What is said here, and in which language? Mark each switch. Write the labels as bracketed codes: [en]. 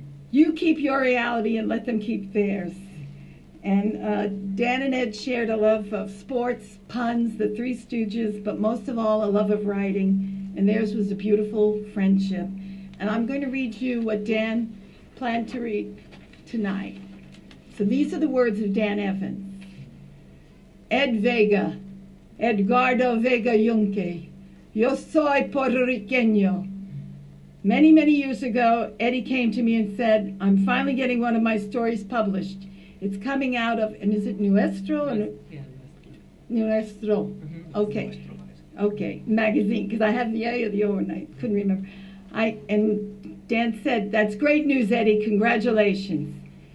[en] You keep your reality and let them keep theirs. And Dan and Ed shared a love of sports, puns, the Three Stooges, but most of all a love of writing. And theirs was a beautiful friendship. And I'm going to read you what Dan planned to read tonight. So these are the words of Dan Evans. [es] Ed Vega, Edgardo Vega Yunqué, yo soy Puerto Riqueño. [en] Many, many years ago, Eddie came to me and said, I'm finally getting one of my stories published. It's coming out of, and is it Nuestro? Nuestro. Mm-hmm. Okay. Okay, magazine, because I have the A or the O, and I couldn't remember. And Dan said, that's great news, Eddie, congratulations.